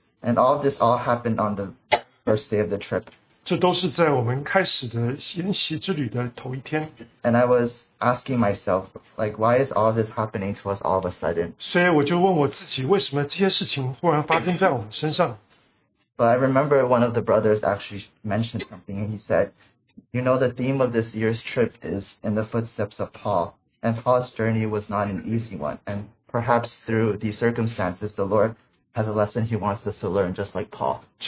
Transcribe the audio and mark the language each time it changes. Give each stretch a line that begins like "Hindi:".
English: And all of this all happened on the first day of the trip.
Chinese: 这都是在我们开始的研习之旅的头一天。
English: And I was asking myself, like, why is all this happening to us all of a sudden?
Chinese: 所以我就问我自己为什么这些事情忽然发生在我们身上。
English: But I remember one of the brothers actually mentioned something, and he said, you know, the theme of this year's trip is in the footsteps of Paul, and Paul's journey was not an easy one, and perhaps through these circumstances, the Lord has a lesson he wants us to learn, just like Paul.